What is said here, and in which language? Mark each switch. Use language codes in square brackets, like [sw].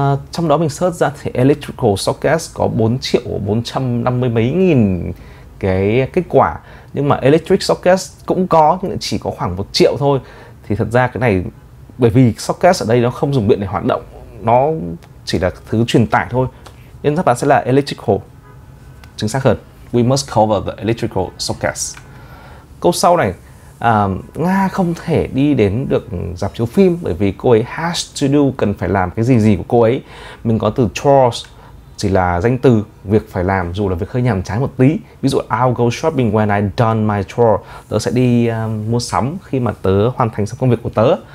[vi] Trong đó mình search ra thì electrical socket có 4.450.000 cái kết quả, nhưng mà electric socket cũng có nhưng chỉ có khoảng 1.000.000 thôi. Thì thật ra cái này, bởi vì socket ở đây nó không dùng điện để hoạt động, nó chỉ là thứ truyền tải thôi, nên đáp án sẽ là electrical chính xác hơn. [en] We must cover the electrical socket. [vi] Câu sau này, Nga không thể đi đến được rạp chiếu phim bởi vì cô ấy [en] has to do, [vi] cần phải làm cái gì của cô ấy. Mình có từ chores, chỉ là danh từ, việc phải làm dù là việc hơi nhàm chán một tí. Ví dụ [en] I'll go shopping when I done my chore, [vi] tớ sẽ đi mua sắm khi mà tớ hoàn thành xong công việc của tớ.